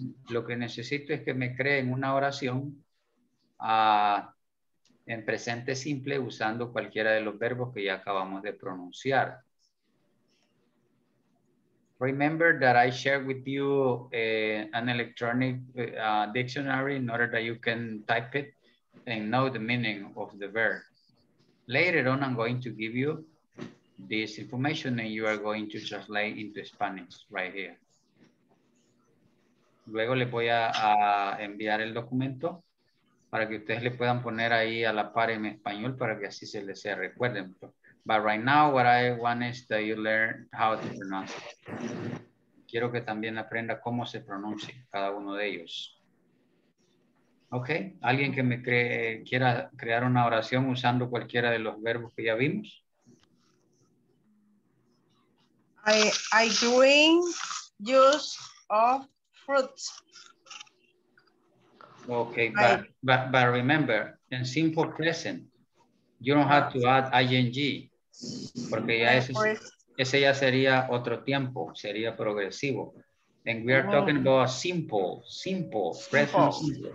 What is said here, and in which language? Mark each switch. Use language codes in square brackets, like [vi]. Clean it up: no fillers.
[es] Lo que necesito es que me creen una oración. en presente simple usando cualquiera de los verbos que ya acabamos de pronunciar. [en] Remember that I shared with you an electronic dictionary in order that you can type it and know the meaning of the verb. Later on, I'm going to give you this information and you are going to translate into Spanish right here. [es] Luego le voy a enviar el documento para que ustedes le puedan poner ahí a la par en español para que así se les sea recuerden. [en] But right now, what I want is that you learn how to pronounce it. [es] Quiero que también aprenda cómo se pronuncia cada uno de ellos. Okay, alguien que me quiera crear una oración usando cualquiera de los verbos que ya vimos. [en] I drink juice of fruits. Okay, but remember, in simple present, you don't have to add ing. [es] Porque ya ese ya sería otro tiempo, sería progresivo. [en] And we are talking about simple, present simple.